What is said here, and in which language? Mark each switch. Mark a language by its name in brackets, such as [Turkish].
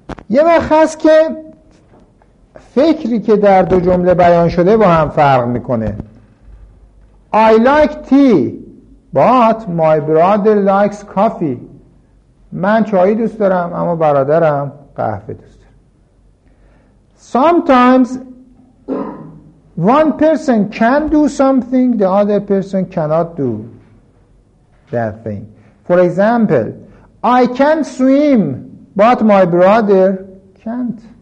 [Persian] یه وقت هست که فکری که در دو جمله بیان شده با هم فرق میکنه. [English] I like tea but my brother likes coffee. [Persian] من چای دوست دارم اما برادرم قهوه دوست دارم. [English] Sometimes one person can do something the other person cannot do that thing. For example I can swim but my brother can't.